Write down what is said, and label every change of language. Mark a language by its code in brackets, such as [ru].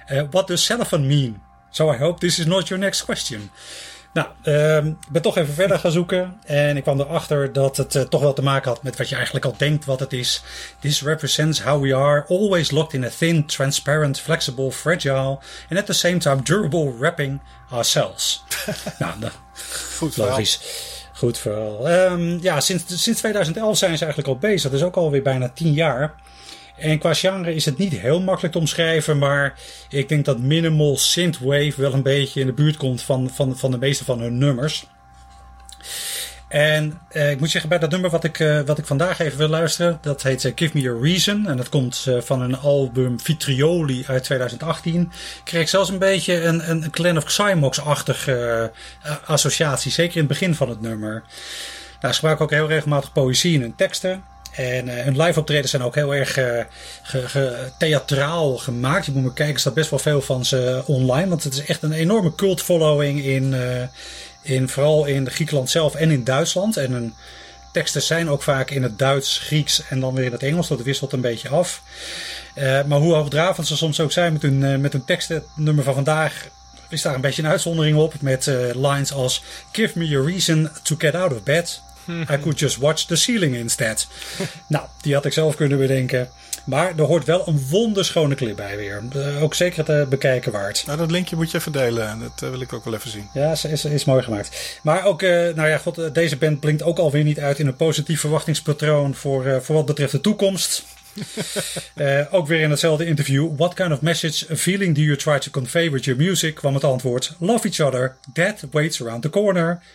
[en] What does Cellophan mean? So I hope this is not your next question. [nl] Nou, ik ben toch even verder gaan zoeken. En ik kwam erachter dat het toch wel te maken had met wat je eigenlijk al denkt wat het is. [en] This represents how we are always locked in a thin, transparent, flexible, fragile and at the same time durable wrapping ourselves. [nl] Goed verhaal. Logisch. Goed verhaal. Sinds 2011 zijn ze eigenlijk al bezig. Dat is ook alweer bijna 10 jaar. En qua genre is het niet heel makkelijk te omschrijven, maar ik denk dat minimal synthwave wel een beetje in de buurt komt van de meeste van hun nummers. En ik moet zeggen, bij dat nummer wat ik vandaag even wil luisteren, dat heet Give Me a Reason. En dat komt van een album Vitrioli uit 2018. Ik kreeg zelfs een beetje een Clan of Xymox-achtige associatie, zeker in het begin van het nummer. Nou, ze gebruiken ook heel regelmatig poëzie in hun teksten. En hun live optredens zijn ook heel erg theatraal gemaakt. Je moet maar kijken, er staat best wel veel van ze online. Want het is echt een enorme cult following in vooral in Griekenland zelf en in Duitsland. En hun teksten zijn ook vaak in het Duits, Grieks en dan weer in het Engels. Dat wisselt een beetje af. Maar hoe hoogdravend ze soms ook zijn met hun teksten, het nummer van vandaag is daar een beetje een uitzondering op. Met lines als, [en] give me a reason to get out of bed. I could just watch the ceiling instead. [nl] Nou, die had ik zelf kunnen bedenken. Maar er hoort wel een wonderschone clip bij weer. Ook zeker te bekijken waard. Nou, dat linkje moet je even delen. Dat wil ik ook wel even zien. Ja, ze is mooi gemaakt. Maar ook, deze band blinkt ook alweer niet uit in een positief verwachtingspatroon voor wat betreft de toekomst. Ook weer in hetzelfde interview. [en] What kind of message, a feeling do you try to convey with your music? [nl] Kwam het antwoord. [en] Love each other. Death waits around the corner.